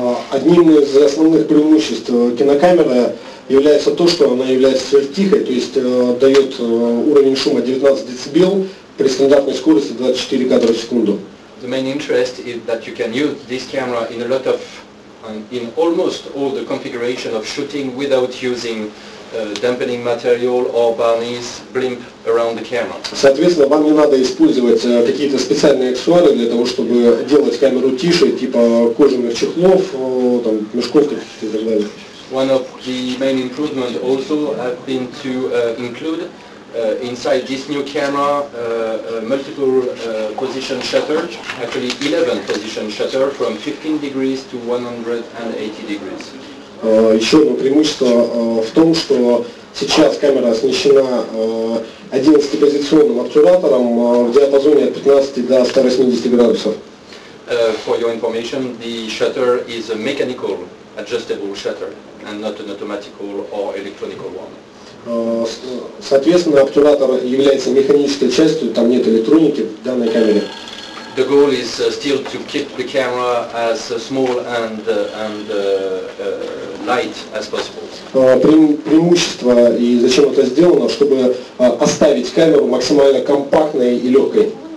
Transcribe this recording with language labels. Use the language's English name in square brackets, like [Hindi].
[Russian] Одним из основных преимуществ кинокамеры является то, что она является сверхтихой, то есть дает уровень шума 19 дБ при стандартной скорости 24 кадра в секунду. [English] The main interest is that you can use this camera in a lot of, in almost all the configuration of shooting without using dampening material or varnish blimp around the camera. [Russian] Соответственно, вам не надо использовать какие-то специальные аксессуары для того, чтобы делать камеру тише, типа кожаных чехлов, там, мешков каких-то и так далее. [English] One of the main improvements also have been to include inside this new camera multiple position shutter, actually 11 position shutter from 15 degrees to 180 degrees. [Russian] Еще одно преимущество в том, что сейчас камера оснащена 11-позиционным обтюратором в диапазоне от 15 до 180 градусов. [English] For your information, the shutter is a mechanical adjustable shutter and not an automatical or electronical one. [Russian] Соответственно, обтюратор является механической частью, там нет электроники в данной камере. [English] The goal is still to keep the camera as small and light as possible. [Russian] Преимущество и зачем это сделано, чтобы оставить камеру максимально компактной и легкой.